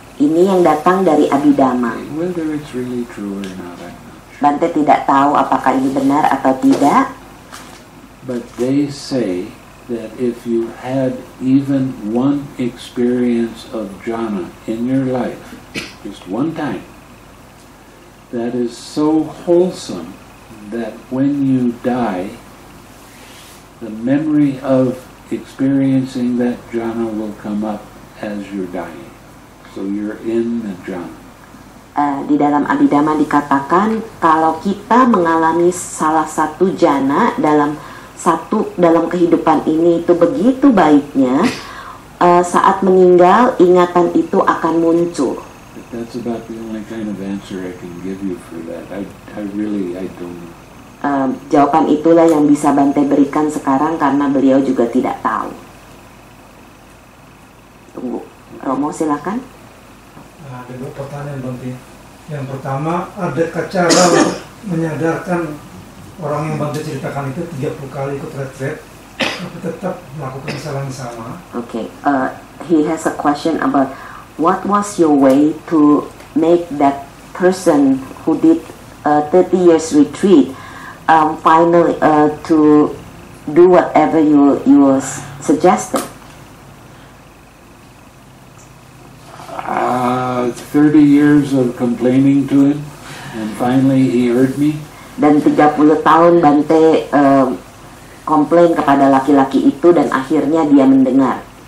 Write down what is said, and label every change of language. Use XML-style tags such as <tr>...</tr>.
<id>Ini yang datang dari Abhidhamma.</id> <en>Whether it's really true or not, I'm not sure.</en> <id>Bante tidak tahu apakah ini benar atau tidak.</id> <en>But they say that if you had even one experience of jhana in your life, just one time, that is so wholesome that when you die, the memory of experiencing that jhana will come up as you're dying. So you're in the jhana.</en> <id>Di dalam Abhidhamma dikatakan kalau kita mengalami salah satu jhana dalam kehidupan ini itu begitu baiknya, saat meninggal ingatan itu akan muncul.</id> <en>But that's about the only kind of answer I can give you for that. I really don't know.</en> <id>Jawaban itulah yang bisa Bante berikan sekarang karena beliau juga tidak tahu. Tunggu. Romo, silakan. Ada dua pertanyaan, Bang Ti. Yang pertama, adakah cara menyadarkan orang yang Bang Ti ceritakan itu 30 kali ikut retret, tapi tetap melakukan kesalahan yang sama?</id> <en>Okay, he has a question about what was your way to make that person who did a 30 years retreat finally to do whatever you suggested? 30 years of complaining to him, and finally he heard me.</en> <id>Dan 30 tahun Bante komplain kepada laki-laki itu, dan akhirnya dia mendengar.</id>